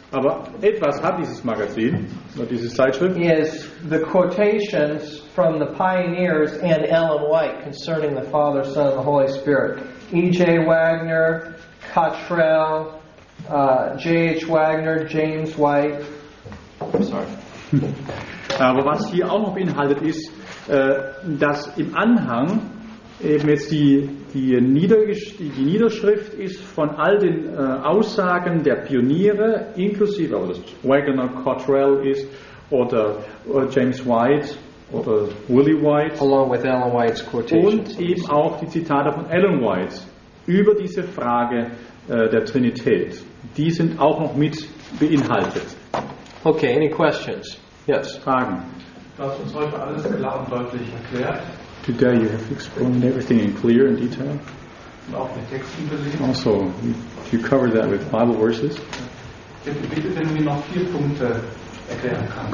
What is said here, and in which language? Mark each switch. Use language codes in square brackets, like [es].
[de] Aber etwas hat dieses Magazin oder diese Zeitschrift. [en] Is the quotations from the pioneers and Ellen White concerning the Father, Son, and the Holy Spirit? E.J. Wagner, Cottrell, J.H. Wagner, James White. [de] Aber was hier auch noch beinhaltet ist, dass im Anhang eben jetzt die Niederschrift ist von all den Aussagen der Pioniere, inklusive ob das Wagner, Cottrell ist oder James White oder Willie White, [en] along with Ellen White's quotations, [de] und eben auch die Zitate von Ellen White über diese Frage der Trinität. Die sind auch noch mit beinhaltet. [en] Okay, any questions? Yes. [de] Fragen. Du hast uns heute alles klar und deutlich erklärt. [en] Today you have explained everything in clear and detail. [de] Und auch mit Texten belegt. [en] Also, you cover that with Bible verses. [de] Bitte, bitte, wenn du mir noch vier Punkte erklären kannst.